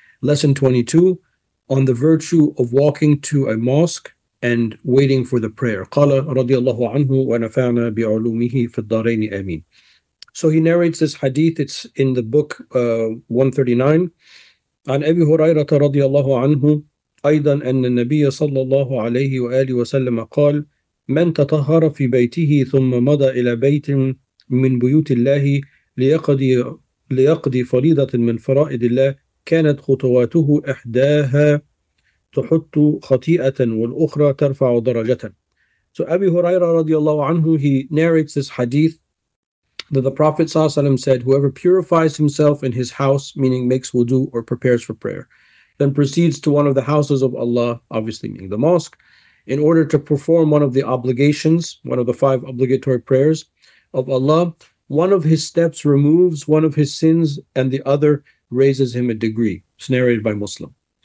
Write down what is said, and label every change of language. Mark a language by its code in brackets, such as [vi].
[en] Lesson 22 on the virtue of walking to a mosque and waiting for the prayer. [ar] قال رضي الله عنه ونفعنا بعلومه في الدارين آمين. [en] So he narrates this hadith, it's in the book 139. [ar] عن أبي هريرة رضي الله عنه أيضا أن النبي صلى الله عليه وآله وسلم قال من تطهر في بيته ثم مضى إلى بيت من بيوت الله ليقضي فريضة من فرائض الله كانت خطواته إحداها تحط خطيئة والأخرى ترفع درجة. [en] So أبي هريرة [ar] رضي الله عنه, [en] he narrates this hadith that the Prophet ﷺ said, whoever purifies himself in his house, meaning makes wudu or prepares for prayer, then proceeds to one of the houses of Allah, obviously meaning the mosque, in order to perform one of the obligations, one of the five obligatory prayers of Allah, one of his steps removes one of his sins and the other raises him a degree. It's narrated by Muslim.